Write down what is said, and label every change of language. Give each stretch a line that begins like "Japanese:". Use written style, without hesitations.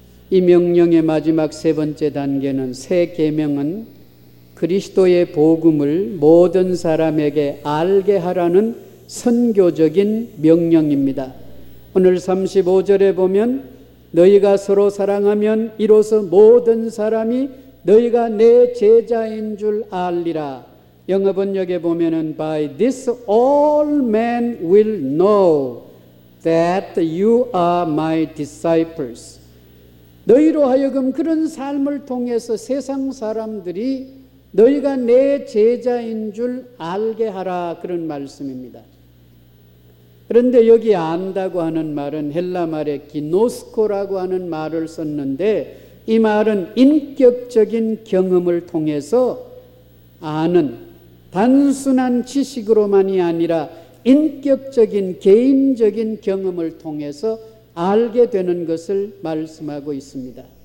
Korean: 이 명령의 마지막 세 번째 단계는 새 계명은 그리스도의 복음을 모든 사람에게 알게 하라는 선교적인 명령입니다. 오늘 35절에 보면 너희가 서로 사랑하면 이로써 모든 사람이 너희가 내 제자인 줄 알리라. 영어 번역에 보면은
English: By this all men will know that you are my disciples.
Korean: 너희로 하여금 그런 삶을 통해서 세상 사람들이 너희가 내 제자인 줄 알게 하라 그런 말씀입니다. 그런데 여기 안다고 하는 말은 헬라 말에 기노스코라고 하는 말을 썼는데 이 말은 인격적인 경험을 통해서 아는 단순한 지식으로만이 아니라 인격적인 개인적인 경험을 통해서 알게 되는 것을 말씀하고 있습니다.